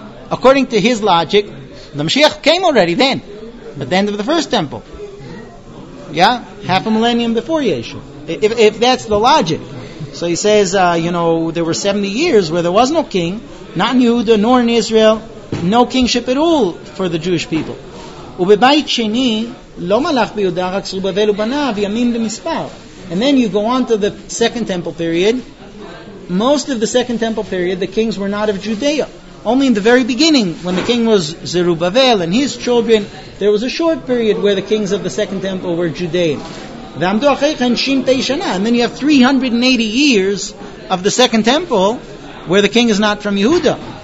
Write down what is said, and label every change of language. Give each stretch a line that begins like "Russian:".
English: According to his logic, the Mashiach came already then, at the end of the first temple. Yeah? Half a millennium before Yeshu. If that's the logic. So he says, there were 70 years where there was no king, not in Yehuda nor in Israel, no kingship at all for the Jewish people.
Hebrew: ובבית שני, לא מלך ביהודה, רק סרובבל ובניו, ימים למספר.
English: And then you go on to the second temple period. Most of the second temple period, the kings were not of Judea. Only in the very beginning, when the king was Zerubbabel and his children, there was a short period where the kings of the second temple were Judean. And then you have 380 years of the second temple where the king is not from Yehuda.